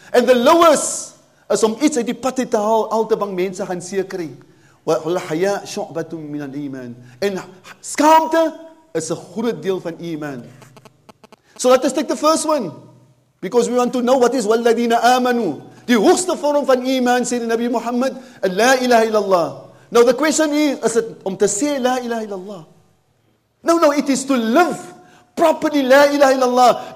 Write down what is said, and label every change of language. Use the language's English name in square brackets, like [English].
[English] And the lowest is [Afrikaans] om iets uit die patte te haal, al te bang mense gaan seer kry. [Arabic] Wal-haya shu'batun min al-Iman. [Afrikaans] En skaamte is 'n groot deel van Iman. [English] So let us take the first one. Because we want to know what is [Arabic] walladina amanu. [Afrikaans] Die hoogste vorm van iman, sê die Nabi Muhammad, [Arabic] la ilaha illallah. [English] Now the question is it [Afrikaans] om te sê [Arabic] la ilaha illallah? [English] No, it is to live properly la ilaha illallah.